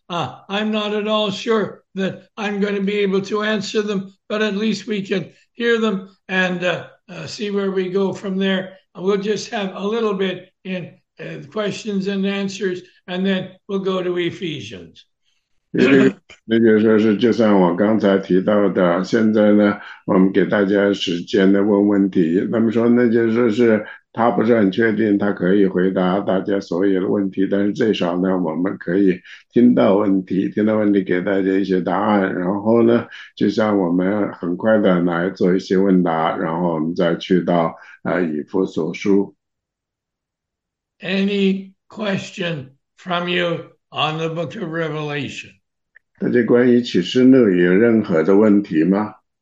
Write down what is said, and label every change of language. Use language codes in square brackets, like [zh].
[en] I'm not at all sure that I'm going to be able to answer them, but at least we can hear them and see where we go from there. We'll just have a little bit in questions and answers, and then we'll go to Ephesians. [zh] 那就是说是，就像我刚才提到的，现在呢，我们给大家时间的问问问题。那么说，那就说是他不是很确定，他可以回答大家所有的问题，但是最少呢，我们可以听到问题，听到问题给大家一些答案，然后呢，就像我们很快的来做一些问答，然后我们再去到以弗所书。 [en] Any question from you on the book of Revelation? [zh] 大家关于启示录有任何的问题吗？